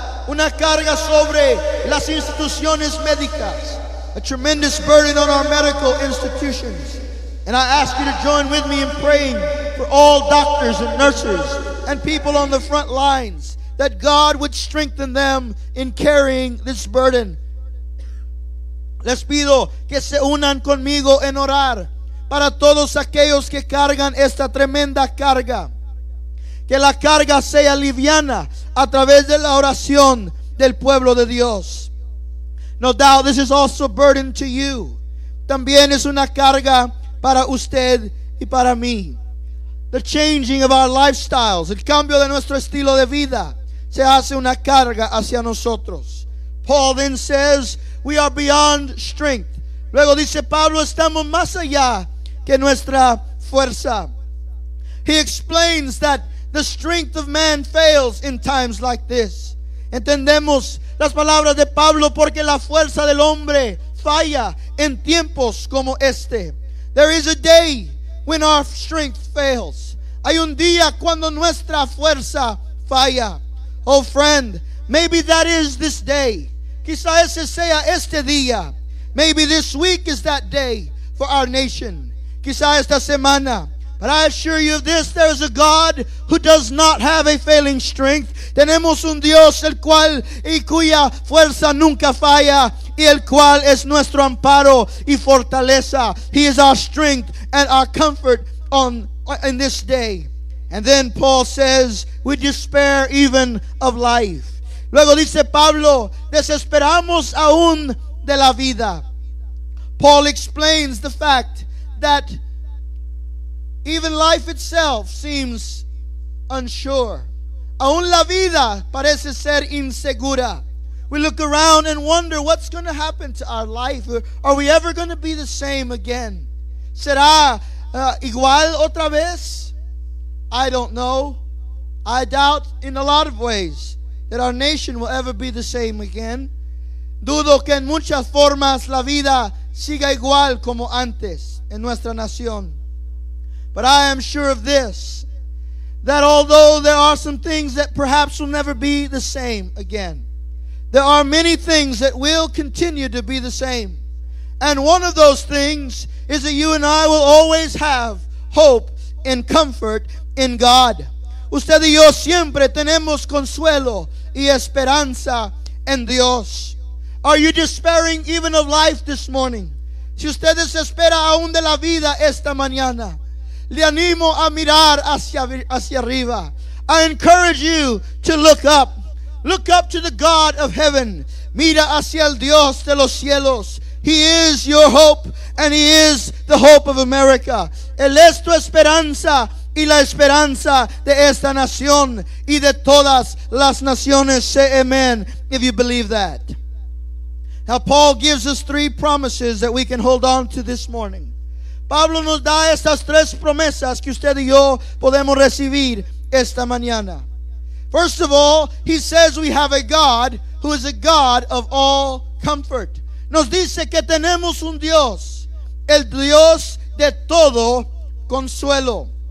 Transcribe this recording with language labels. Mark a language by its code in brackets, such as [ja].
[es] Una carga sobre las instituciones médicas. [en] A tremendous burden on our medical institutions. And I ask you to join with me in praying for all doctors and nurses and people on the front lines, that God would strengthen them in carrying this burden. [es] Les pido que se unan conmigo en orar para todos aquellos que cargan esta tremenda carga. Que la carga sea liviana a través de la oración del pueblo de Dios. [en] No doubt this is also a burden to you. [es] También es una carga para usted y para mí. [en] The changing of our lifestyles, [es] el cambio de nuestro estilo de vida, se hace una carga hacia nosotros. [en] Paul then says, we are beyond strength. [es] Luego dice Pablo, estamos más allá que nuestra fuerza. [en] He explains that the strength of man fails in times like this. [es] Entendemos las palabras de Pablo porque la fuerza del hombre falla en tiempos como este. [en] There is a day when our strength fails. [es] Hay un día cuando nuestra fuerza falla. [en] Oh friend, maybe that is this day. [es] Quizá ese sea este día. [en] Maybe this week is that day for our nation. [es] Quizá esta semana. [en] But I assure you of this, there is a God who does not have a failing strength. [es] Tenemos un Dios el cual y cuya fuerza nunca falla, y el cual es nuestro amparo y fortaleza. [en] He is our strength and our comfort on this day. And then Paul says, we despair even of life. [es] Luego dice Pablo, desesperamos aún de la vida. [en] Paul explains the fact that even life itself seems unsure. [es] Aún la vida parece ser insegura. [en] We look around and wonder what's going to happen to our life. Are we ever going to be the same again? [es] ¿Será igual otra vez? [en] I don't know. I doubt in a lot of ways that our nation will ever be the same again. [es] Dudo que en muchas formas la vida siga igual como antes en nuestra nación. [en] But I am sure of this, that although there are some things that perhaps will never be the same again, there are many things that will continue to be the same. And one of those things is that you and I will always have hope and comfort in God. [es] Usted y yo siempre tenemos consuelo y esperanza en Dios. [en] Are you despairing even of life this morning? [es] Si usted desespera aún de la vida esta mañana, le animo a mirar hacia arriba. [en] I encourage you to look up. Look up to the God of heaven. [es] Mira hacia el Dios de los cielos. [en] He is your hope and He is the hope of America. [es] Él es tu esperanza y la esperanza de esta nación y de todas las naciones. [en] Say amen if you believe that. Now Paul gives us three promises that we can hold on to this morning. [es] Pablo nos da estas tres promesas que usted y yo podemos recibir esta mañana. [en] First of all, he says we have a God who is a God of all comfort. [es] Nos dice que tenemos un Dios, el Dios de todo consuelo.